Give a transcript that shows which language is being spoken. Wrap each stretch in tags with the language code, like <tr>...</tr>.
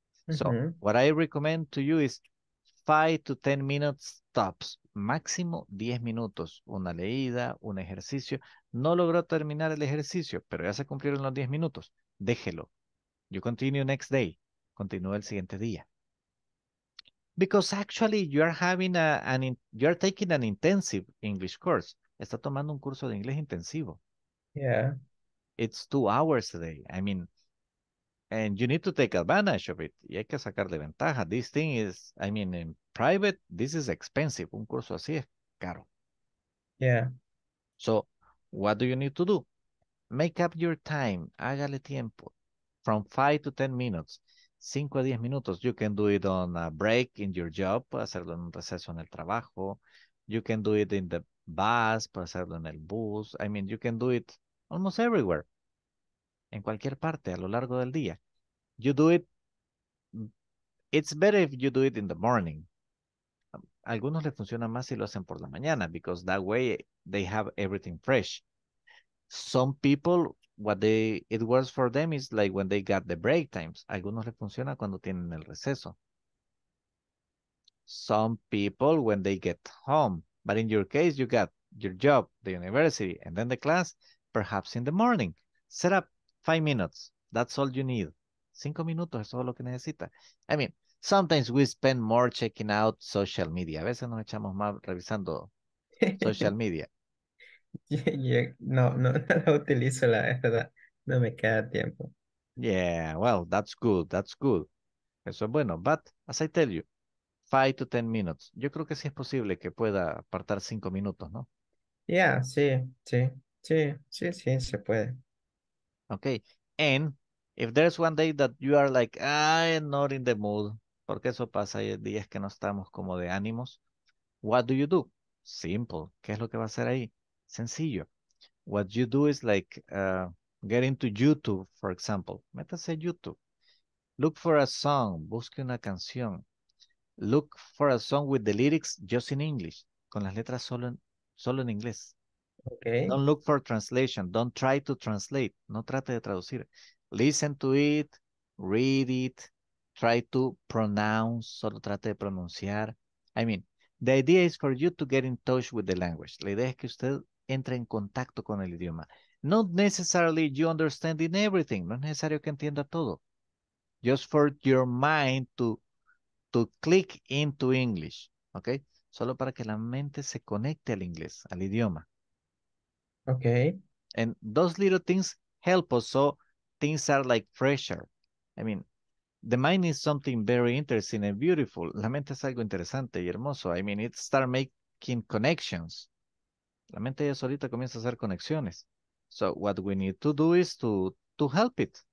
<en>So, what I recommend to you is 5 to 10 minutes tops.</en> <es>Máximo 10 minutos. Una leída, un ejercicio. No logró terminar el ejercicio, pero ya se cumplieron los 10 minutos. Déjelo.</es> <en>You continue next day.</en> <es>Continúa el siguiente día.</es> <en>Because actually you are having you are taking an intensive English course.</en> <es>Está tomando un curso de inglés intensivo.</es> <en>Yeah. It's 2 hours a day. I mean, and you need to take advantage of it.</en> <es>Y hay que sacarle ventaja.</es> <en>This thing is, I mean, in private, this is expensive.</en> <es>Un curso así es caro.</es> <en>Yeah. So, what do you need to do? Make up your time.</en> <es>Hágale tiempo.</es> <en>From 5 to 10 minutes.</en> <es>5 a 10 minutos.</es> <en>You can do it on a break in your job.</en> <es>Puede hacerlo en un receso en el trabajo.</es> <en>You can do it in the bus.</en> <es>Puede hacerlo en el bus.</es> <en>I mean, you can do it almost everywhere.</en> <es>En cualquier parte, a lo largo del día.</es> <en>You do it, it's better if you do it in the morning.</en> <es>A algunos les funciona más si lo hacen por la mañana,</es> <en>because that way they have everything fresh. Some people, it works for them is like when they got the break times.</en> <es>A algunos les funciona cuando tienen el receso.</es> <en>Some people, when they get home. But in your case, you got your job, the university, and then the class, perhaps in the morning. Set up 5 minutes, that's all you need.</en> <es>5 minutos, eso es lo que necesita.</es> <en>I mean, sometimes we spend more checking out social media.</en> <es>A veces nos echamos más revisando social media. No la utilizo, la verdad. No me queda tiempo.</es> <en>Yeah, well, that's good.</en> <es>Eso es bueno,</es> <en>but as I tell you, 5 to 10 minutes.</en> <es>Yo creo que sí es posible que pueda apartar 5 minutos, ¿no? Yeah, sí, se puede.</es> <en>Okay, and if there's one day that you are like, I'm not in the mood,</en> <es>porque eso pasa, hay días que no estamos como de ánimos,</es> <en>what do you do?</en> <es>Simple, ¿qué es lo que va a hacer ahí? Sencillo.</es> <en>What you do is like, get into YouTube, for example.</en> <es>Métase a YouTube.</es> <en>Look for a song,</en> <es>busque una canción.</es> <en>Look for a song with the lyrics just in English,</en> <es>con las letras solo en inglés.</es> <en>Okay. Don't look for translation. Don't try to translate.</en> <es>No trate de traducir.</es> <en>Listen to it. Read it. Try to pronounce.</en> <es>Solo trate de pronunciar.</es> <en>I mean, the idea is for you to get in touch with the language.</en> <es>La idea es que usted entre en contacto con el idioma.</es> <en>Not necessarily you understanding everything.</en> <es>No es necesario que entienda todo.</es> <en>Just for your mind to click into English. Okay?</en> <es>Solo para que la mente se conecte al inglés, al idioma.</es> <en>Okay. And those little things help us so things are like fresher. I mean, the mind is something very interesting and beautiful.</en> <es>La mente es algo interesante y hermoso.</es> <en>I mean, it starts making connections.</en> <es>La mente ya solita comienza a hacer conexiones.</es> <en>So what we need to do is to help it.</en>